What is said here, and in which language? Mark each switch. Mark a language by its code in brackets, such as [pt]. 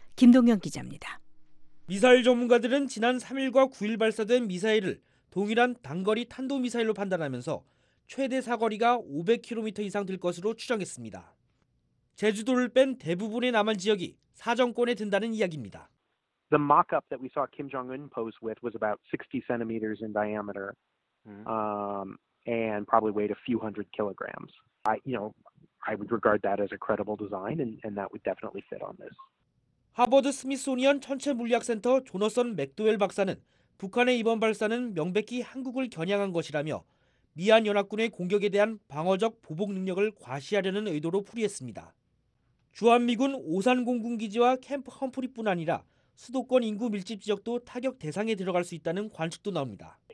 [ko] 김동영 기자입니다. 미사일 전문가들은 지난 3일과 9일 발사된 미사일을 동일한 단거리 탄도미사일로 판단하면서 최대 사거리가 500km 이상 될 것으로 추정했습니다. 제주도를 뺀 대부분의 남한 지역이 사정권에 든다는 이야기입니다. [en] The mock-up that we saw Kim Jong-un pose with was about 60 centimeters in diameter and probably weighed a few hundred kilograms. I would regard that as a credible design and that would definitely fit on this. [ko] 하버드 스미소니언 천체 물리학 센터 조너선 맥도웰 박사는 북한의 이번 발사는 명백히 한국을 겨냥한 것이라며 미한 연합군의 공격에 대한 방어적 보복 능력을 과시하려는 의도로 풀이했습니다. 주한미군 오산공군기지와 캠프 험프리뿐 아니라 수도권 인구 밀집 지역도 타격 대상에 들어갈 수 있다는 관측도 나옵니다.